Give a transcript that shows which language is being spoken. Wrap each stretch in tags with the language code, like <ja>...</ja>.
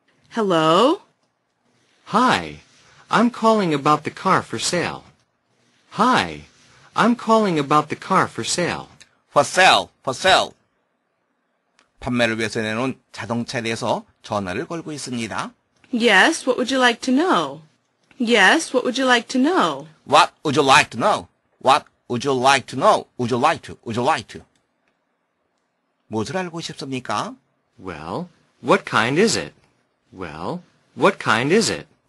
<en>Hello? Hi, I'm calling about the car for sale. Hi, I'm calling about the car for sale. For sale, for sale.</en> <ko>판매를 위해서 내놓은 자동차에 대해서 전화를 걸고 있습니다.</ko> <en>Yes, what would you like to know? Yes, what would you like to know? What would you like to know? What would you like to know? Would you like to? Would you like to?</en> <ko>무엇을 알고 싶습니까?</ko> <en>Well, what kind is it? Well, what kind is it?</en>